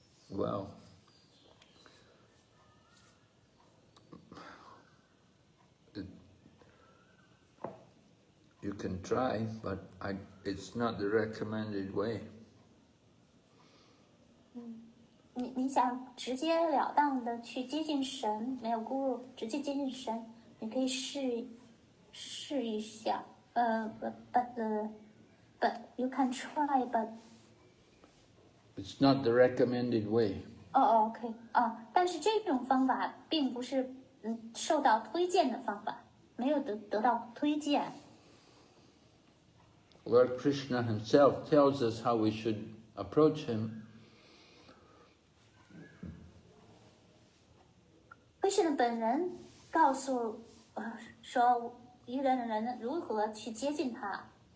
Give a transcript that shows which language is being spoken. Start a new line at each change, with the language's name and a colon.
English: Well. You can try, but it's not the recommended way.
Chinese: 你想直截了当的去接近神，没有Guru，直接接近神，你可以试一下。
English: But you can try, but it's not the recommended way. Oh, okay.
Chinese: 但是这种方法并不是受到推荐的方法，没有得到推荐。
English: Lord Krishna himself tells us how we should approach him.
Chinese: Krishna 本人告诉说一个人如何去接近他。